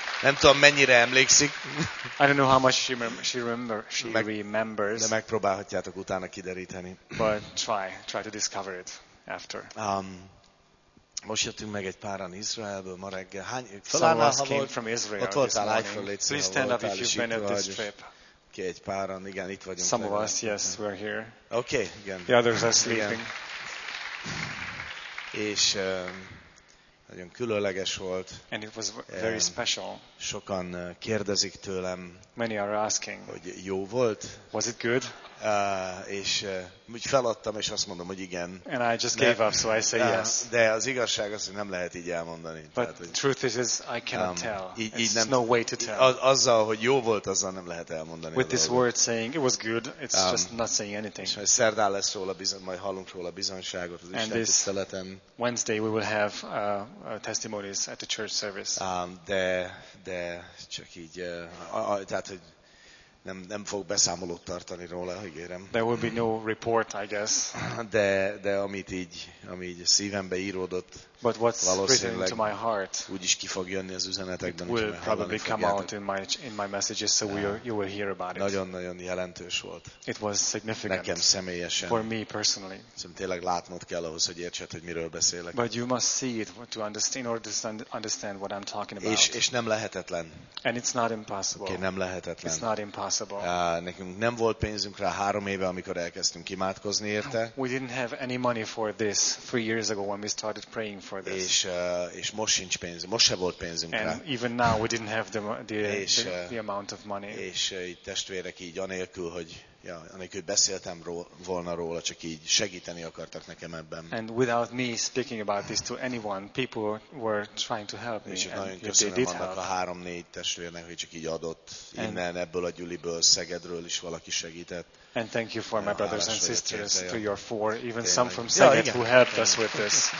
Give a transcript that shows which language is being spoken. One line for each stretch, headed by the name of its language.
Hungarian: Nem tudom, mennyire emlékszik.
English: I don't know how much she remembers.
Hungarian: De megpróbálhatjátok utána kideríteni.
English: But try to discover it after.
Hungarian: Most jöttünk meg egy páran Izraelből ma reggel. Hány?
English: Some of us came from Israel.
Hungarian: Ott voltál, látszol, légy
English: szóval. Please stand up if you've been at this trip.
Hungarian: Okay, egy páran, igen, itt vagyunk.
English: Some of us, yes, we're here.
Hungarian: Okay, igen.
English: The others are sleeping.
Hungarian: És nagyon különleges volt.
English: And it was very special.
Hungarian: Sokan kérdezik tőlem.
English: Many are asking.
Hungarian: Hogy jó volt?
English: Was it good?
Hungarian: És úgy feladtam, és azt mondom, hogy igen.
English: And I just gave up, so I say yes.
Hungarian: De az igazság az, hogy nem lehet így elmondani.
English: But
Hungarian: tehát, hogy,
English: truth is, I cannot tell. It's nem, no way to tell.
Hungarian: Azzal, hogy jó volt, azzal nem lehet elmondani.
English: With this word saying, it was good, it's just not saying anything.
Hungarian: És majd szerdán lesz róla, majd hallunk róla bizonyságot az Isten tiszteleten.
English: Wednesday we will have testimonies at the church service.
Hungarian: De csak így, tehát, hogy Nem fog beszámolót tartani róla, ígérem.
English: There will be no report, I guess.
Hungarian: De amit így szívembe íródott,
English: but what's written to my heart,
Hungarian: úgyis ki fog jönni az üzenetekben,
English: it will probably come out in my messages, so you will hear about it.
Hungarian: Nagyon-nagyon jelentős volt.
English: It was significant.
Hungarian: Nekem személyesen.
English: For me personally.
Hungarian: Szóval tényleg látnod kell ahhoz, hogy értsed, hogy miről beszélek.
English: But you must see it to understand, in order to understand what I'm talking about.
Hungarian: És nem lehetetlen.
English: And it's not impossible.
Hungarian: Okay, nem lehetetlen.
English: It's not impossible.
Hungarian: Nekünk nem volt pénzünk rá 3 éve, amikor elkezdtünk imádkozni érte.
English: We didn't have any money for this 3 years ago when we started praying for this.
Hungarian: És most sincs pénz, most se volt pénzünk
English: and
Hungarian: rá.
English: Even now we didn't have the amount of money.
Hungarian: És itt testvérek így anélkül, hogy ja, anélkül beszéltem volna róla, csak így segíteni akartak nekem ebben.
English: And without me speaking about this to anyone, people were trying to help me.
Hungarian: És nagyon köszönöm annak a 3-4 testvérnek, hogy csak így adott innen, ebből a Gyuliből, Szegedről is valaki segített.
English: And thank you for my brothers and sisters, to your 4, even some from Szeged who helped us with this.